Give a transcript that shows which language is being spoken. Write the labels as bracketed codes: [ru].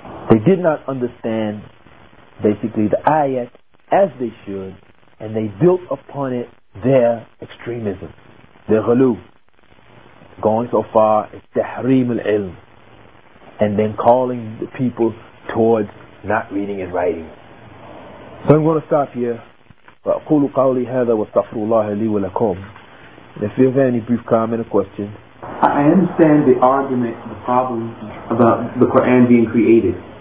[en] They did not understand basically the ayat as they should, and they built upon it their extremism, their ghulu, going so far as tahrim al-ilm, and then calling the people towards not reading and writing. So I'm going to stop here. [ar] وأقول قولي هذا واستغفر الله لي ولكم. [en] If you have any brief comment or question. I understand the argument, the problem about the Quran being created.